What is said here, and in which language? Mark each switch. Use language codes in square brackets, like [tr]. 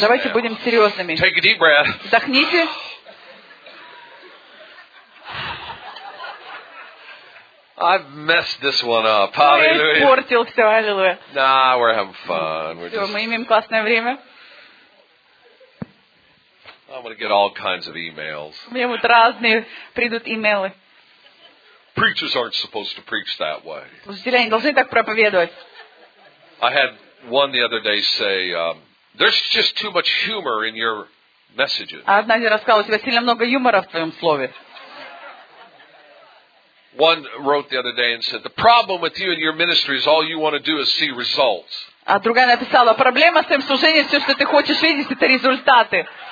[ru] давайте будем серьезными. Вдохните. [en] I've messed this one up. Hallelujah. Nah, we're having fun. We're just... [ru] Мы имеем классное время. [en] I'm going to get all kinds of emails. [ru] У меня будут разные придут имейлы. [en] Preachers aren't supposed to preach that way. [ru] Служители не должны так проповедовать. [en] I had one the other day say, there's just too much humor in your messages. [ru] Однажды рассказал, у тебя сильно много юмора в твоем слове. [en] One wrote the other day and said, "The problem with you and your ministry is all you want to do is see results." [ru] А другая написала: проблема с твоим служением все, что ты хочешь видеть, это результаты.